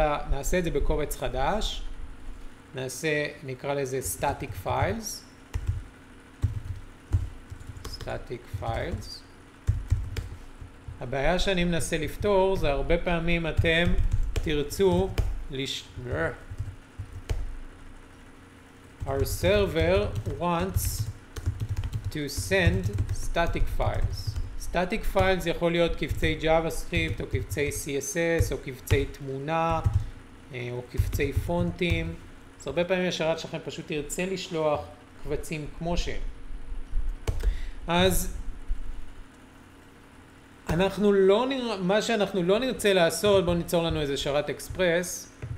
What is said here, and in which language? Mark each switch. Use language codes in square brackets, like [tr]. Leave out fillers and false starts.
[he] נעשה את זה בקובץ חדש. נקרא לזה static files. static files. הבעיה שאני מנסה לפתור זה הרבה פעמים אתם תרצו לשמר. [en] our server wants to send static files. [he] static files יכול להיות קבצי JavaScript או קבצי CSS או קבצי תמונה או קבצי פונטים. אז הרבה פעמים השרת שלכם פשוט תרצה לשלוח קבצים כמו שהם. אז אנחנו לא נראה, מה שאנחנו לא נרצה לעשות, בואו ניצור לנו איזה שרת אקספרס.